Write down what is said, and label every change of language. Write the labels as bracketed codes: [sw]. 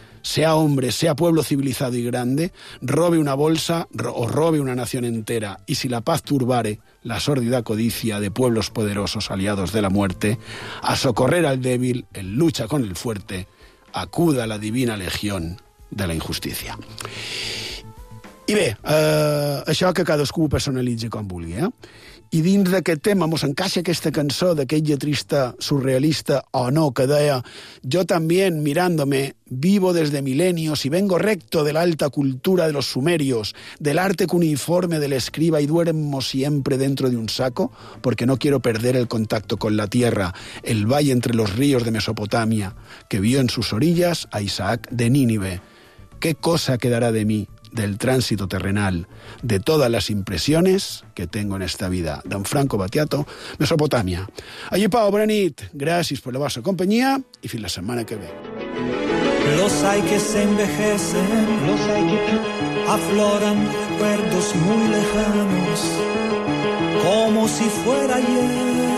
[es] Sea hombre, sea pueblo civilizado y grande, robe una bolsa o robe una nación entera, y si la paz turbare la sórdida codicia de pueblos poderosos aliados de la muerte, a socorrer al débil en lucha con el fuerte, acuda la divina legión de la injusticia». [ca] I bé, això que cadascú ho personalitzi com vulgui, eh? I dins d'aquest tema mos encaixa aquesta cançó d'aquest lletrista surrealista o no, que deia: [es] «Yo también, mirándome, vivo desde milenios y vengo recto de la alta cultura de los sumerios, del arte cuneiforme del escriba y duermo siempre dentro de un saco porque no quiero perder el contacto con la tierra, el valle entre los ríos de Mesopotamia, que vio en sus orillas a Isaac de Nínive. ¿Qué cosa quedará de mí, del tránsito terrenal, de todas las impresiones que tengo en esta vida?». [ca] D'en Franco Battiato, Mesopotàmia. Allí, Pau, bona nit. Gràcies per la vostra companyia i fins la setmana que ve. [es] Los hay que se envejecen, los hay que... afloran recuerdos muy lejanos, como si fuera ayer.